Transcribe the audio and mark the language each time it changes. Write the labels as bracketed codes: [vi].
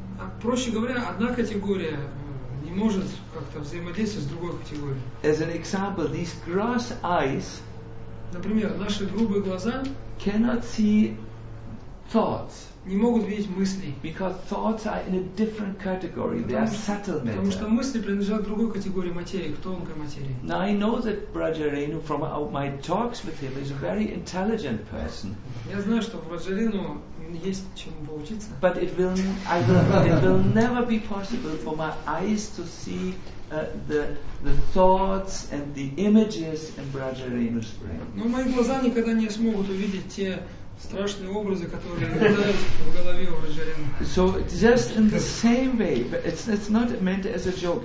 [ru] А проще говоря, одна категория не может как-то взаимодействовать с другой категорией. [en] As an example, these gross eyes, [ru] например, наши грубые глаза, [en] cannot see thoughts. [ru] Не могут видеть мысли. [en] Because thoughts are in a different category. They are subtle matter. [ru] Потому что мысли принадлежат другой категории материи, к тонкой материи. [en] Now I know that Braja Renu, from my talks with him, is a very intelligent person. [ru] Я знаю, что Браджа Рену есть чему поучиться. [en] But it will never be possible for my eyes to see the thoughts and the images in Braja Renu's brain. [ru] Но мои глаза никогда не смогут увидеть те страшные образы, которые рождаются в голове у Браджа Рену. [en] So just in the same way, but it's not meant as a joke.